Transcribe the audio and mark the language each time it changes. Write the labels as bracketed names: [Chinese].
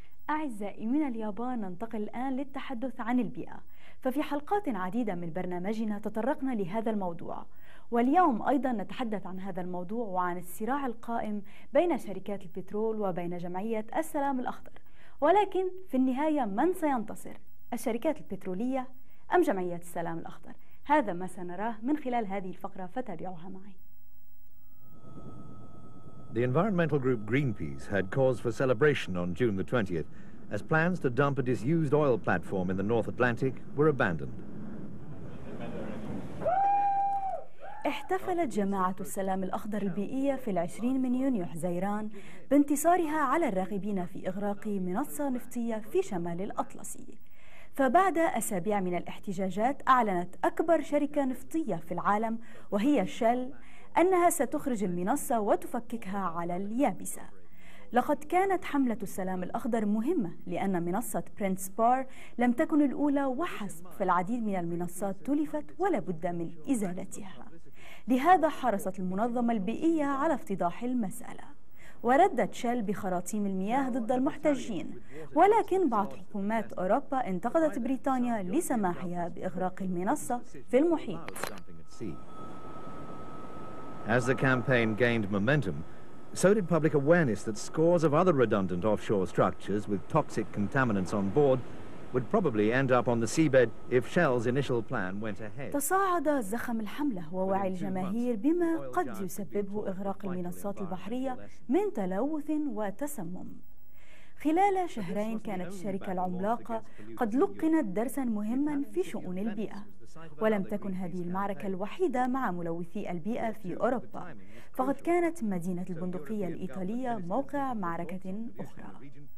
[Arabic] أعزائي، من اليابان ننتقل الآن للتحدث عن البيئة، ففي حلقات عديدة من برنامجنا تطرقنا لهذا الموضوع، واليوم أيضا نتحدث عن هذا الموضوع وعن الصراع القائم بين شركات البترول وبين جمعية السلام الأخضر. ولكن في النهاية من سينتصر؟ الشركات البترولية أم جمعية السلام الأخضر؟ هذا ما سنراه من خلال هذه الفقرة، فتابعوها معي. [English] The environmental group Greenpeace had cause for celebration on June the 20th as plans to dump a disused oil platform in the North Atlantic were abandoned. [Arabic] احتفلت جماعة السلام الأخضر البيئية في 20 من يونيو حزيران بانتصارها على الراغبين في إغراق منصة نفطية في شمال الأطلسي. فبعد أسابيع من الاحتجاجات أعلنت أكبر شركة نفطية في العالم وهي شيل أنها ستخرج المنصة وتفككها على اليابسة. لقد كانت حملة السلام الأخضر مهمة لأن منصة برينس بار لم تكن الأولى وحسب، فالعديد من المنصات تلفت ولا بد من إزالتها. لهذا حرصت المنظمة البيئية على افتضاح المسألة، وردت شيل بخراطيم المياه ضد المحتجين، ولكن بعض حكومات أوروبا انتقدت بريطانيا لسماحها بإغراق المنصة في المحيط. [English] As the campaign gained momentum, so did public awareness that scores of other redundant offshore structures with toxic contaminants on board would probably end up on the seabed if Shell's initial plan went ahead. [Arabic] تصاعد زخم الحملة ووعي الجماهير بما قد يسببه إغراق المنصات البحرية من تلوث وتسمم. خلال شهرين كانت الشركة العملاقة قد لقنت درسا مهما في شؤون البيئة، ولم تكن هذه المعركة الوحيدة مع ملوثي البيئة في أوروبا، فقد كانت مدينة البندقية الإيطالية موقع معركة أخرى.